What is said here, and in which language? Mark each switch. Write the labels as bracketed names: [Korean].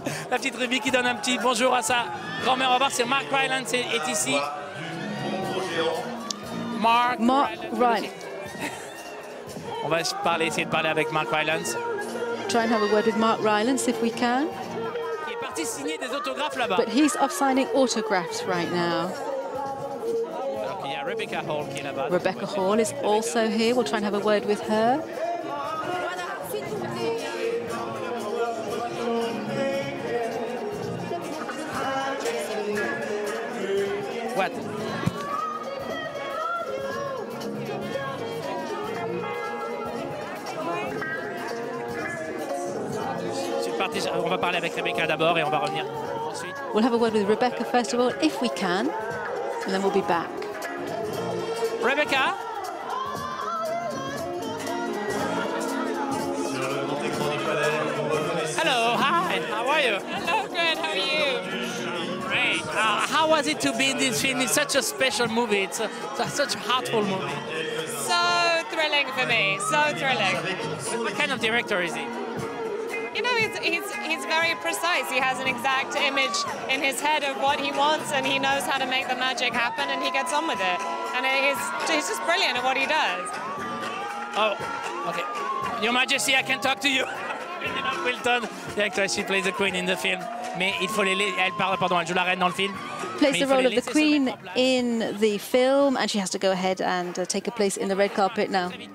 [French] La petite Ruby qui donne un petit bonjour à sa grand-mère. On va voir si Mark Rylance est ici. Mark Rylance. On va essayer de parler avec Mark Rylance. [English] Try and have a word with Mark Rylance if we can. [French] Il est parti signer des autographes là-bas. [English] But he's off signing autographs right now. [French] Okay, yeah, Rebecca Hall qui est là-bas. [English] Rebecca Hall is also here. We'll try and have a word with her. What? [French] On va parler avec Rebecca d'abord et on va revenir ensuite. [English] We'll have a word with Rebecca first of all, if we can, and then we'll be back. Rebecca? Hello, hi, how are you? Hello, good, how are you? Great. How was it to be in this film? It's such a special movie, it's such a heartful movie. So thrilling for me, so thrilling. What kind of director is he? You know, he's very precise. He has an exact image in his head of what he wants, and he knows how to make the magic happen, and he gets on with it. And he's just brilliant at what he does. Oh, okay. Your Majesty, I can talk to you. Wilton, the actress, she plays the Queen in the film. [French] Mais il faut les elle parle pardon, elle joue la reine dans le film. [English] Plays the role of the Queen in the film, and she has to go ahead and take a place in the red carpet now.